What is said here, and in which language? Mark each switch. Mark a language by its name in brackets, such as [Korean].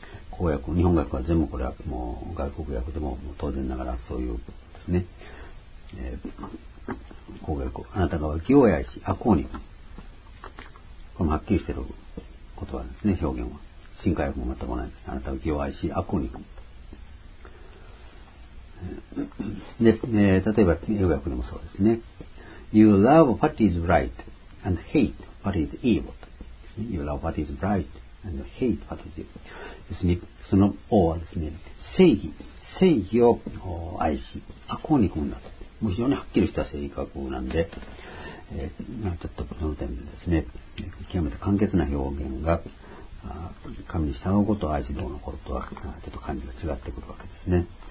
[Japanese] 公訳、日本語訳は全部これはもう外国訳でも当然ながらそういうですね、公訳、あなたが義を愛し悪を憎む、これもはっきりしている言葉ですね。表現は新化訳も全く同じです。あなたが義を愛し悪を憎む。で、例えば英語訳でもそうですね。 [English] You love what is bright and hate what is evil. You love what is bright and hate what is evil. [Japanese] ですね、その王はですね、正義を愛し、悪を憎んだと。もう非常にはっきりした性格なんで、まあ、ちょっとその点でですね、極めて簡潔な表現が、神に従うことを愛し、どうのこととは、ちょっと感じが違ってくるわけですね。